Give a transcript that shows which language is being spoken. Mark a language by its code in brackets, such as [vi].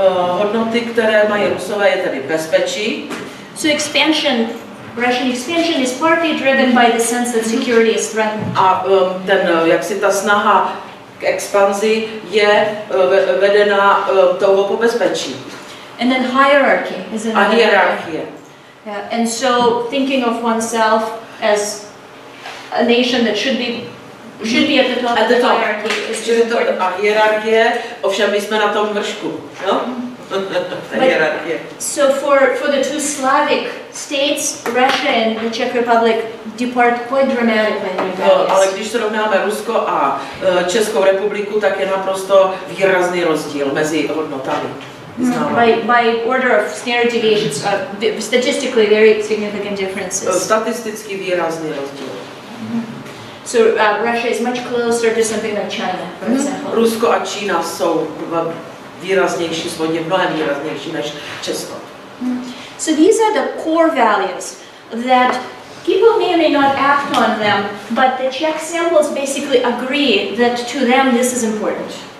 [cs] Hodnoty, které mají Rusové, je tedy bezpečí. [en] So expansion, Russian expansion is partly driven by the sense that security is threatened. [cs] A ten, jaksi ta snaha k expanzi je vedena toho po bezpečí. [en] And then hierarchy is another. [cs] A hierarchie. [en] Yeah. And so thinking of oneself as a nation that should be at the top, [cs] a hierarchie, ovšem my jsme na tom vršku, jo? Hierarchie. [en] So for the two Slavic states, Russia and the Czech Republic depart quite dramatically. [cs] Ale když srovnáme Rusko a Českou republiku, tak je naprosto výrazný rozdíl mezi hodnotami. [en] By order of standard deviations, statistically very significant differences. [cs] Statisticky výrazný rozdíl. [en] So Russia is much closer to something like China, for example. [cs] Rusko a Čína jsou výraznější, svodně mnohem výraznější než Česko. [en] So these are the core values that people may or may not act on them, but the Czech samples basically agree that to them this is important.